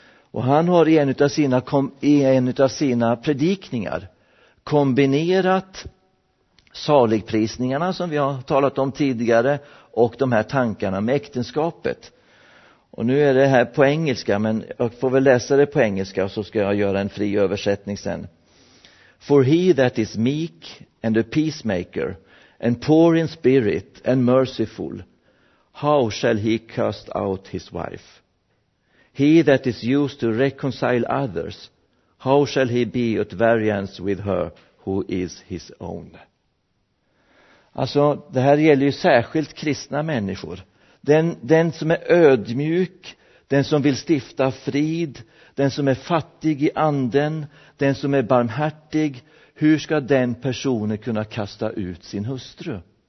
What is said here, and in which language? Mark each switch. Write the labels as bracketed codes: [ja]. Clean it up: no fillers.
[sv] Och han har i en av sina predikningar kombinerat saligprisningarna, som vi har talat om tidigare, och de här tankarna med äktenskapet. Och nu är det här på engelska, men jag får väl läsa det på engelska, och så ska jag göra en fri översättning sen. [en] For he that is meek and a peacemaker and poor in spirit and merciful, how shall he cast out his wife? He that is used to reconcile others, how shall he be at variance with her who is his own? [sv] Alltså, det här gäller ju särskilt kristna människor. Den som är ödmjuk, den som vill stifta frid, den som är fattig i anden, den som är barmhärtig, hur ska den personen kunna kasta ut sin hustru?